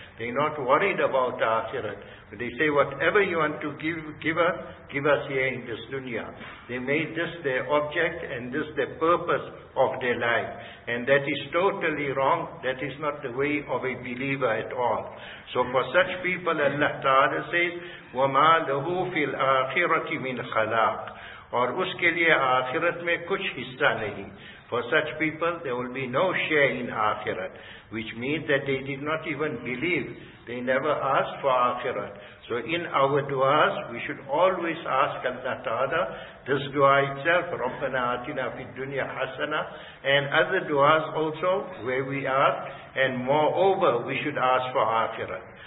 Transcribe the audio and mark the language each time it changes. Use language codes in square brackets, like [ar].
[en] They're not worried about akhirat. They say, whatever you want to give us here in this dunya. They made this their object and this their purpose of their life. And that is totally wrong. That is not the way of a believer at all. So for such people, Allah Ta'ala says, [ar] وَمَا لَهُ فِي الْآخِرَةِ مِنْ خَلَاقٍ. [ur] اور اس کے لئے آخرت میں کچھ حصہ نہیں. [en] For such people, there will be no share in akhirat, which means that they did not even believe. They never asked for akhirat. So in our duas, we should always ask Allah Ta'ala, this dua itself, [ar] رَبَّنَا آتِنَا فِي الدُّنْيَا حَسَنَةً, [en] and other duas also, where we are, and moreover, we should ask for akhirat.